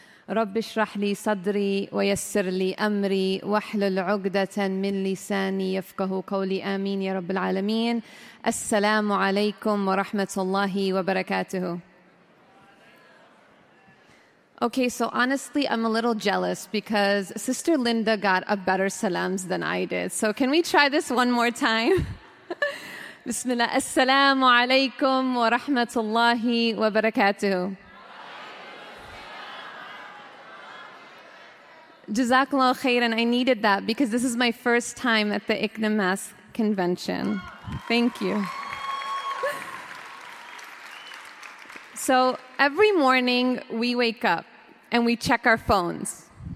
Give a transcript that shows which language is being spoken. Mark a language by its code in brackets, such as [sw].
[ar] رب اشرح لي صدري ويسر لي أمري واحلل عقدة من لساني يفقه قولي آمين يا رب العالمين. السلام عليكم ورحمة الله وبركاته. [en] Okay, so honestly, I'm a little jealous because Sister Linda got a better salams than I did. So can we try this one more time? [ar] بسم الله السلام عليكم ورحمة الله وبركاته. [en] Jazakallah khairan, I needed that because this is my first time at the ICNA Mass convention. Thank you. So every morning we wake up and we check our phones.